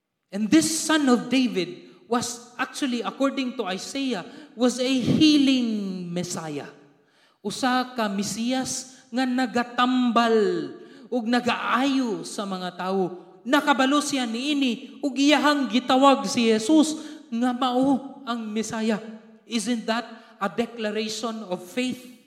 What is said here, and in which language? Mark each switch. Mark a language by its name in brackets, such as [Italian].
[English] And this Son of David was actually, according to Isaiah, was a healing Messiah. [Cebuano] Usa ka Mesiyas nga nagatambal ug nagaayo sa mga tao. Nakabalo siya niini ug iyahang gitawag si Jesus nga mao ang Mesiya. [English] Isn't that a declaration of faith?